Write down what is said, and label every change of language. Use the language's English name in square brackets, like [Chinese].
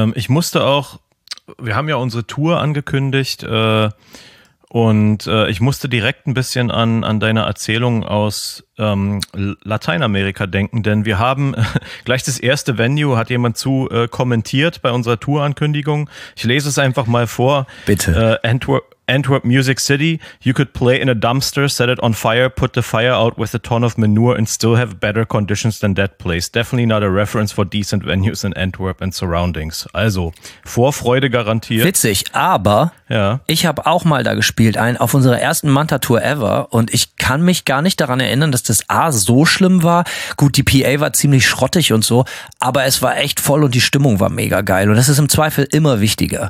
[German] Ich musste auch, wir haben ja unsere Tour angekündigt und ich musste direkt ein bisschen an deine Erzählung aus Lateinamerika denken, denn wir haben gleich das erste Venue, hat jemand zu kommentiert bei unserer Tourankündigung. Ich lese es einfach mal vor. Bitte. [English] Antwerp Music City, you could play in a dumpster, set it on fire, put the fire out with a ton of manure and still have better conditions than that place. Definitely not a reference for decent venues in Antwerp and surroundings. [German] Also, Vorfreude garantiert. Witzig, aber ja. Ich habe auch mal da gespielt, auf unserer ersten Manta-Tour ever und ich kann mich gar nicht daran erinnern, dass das A so schlimm war. Gut, die PA war ziemlich schrottig und so, aber es war echt voll und die Stimmung war mega geil. Und das ist im Zweifel immer wichtiger.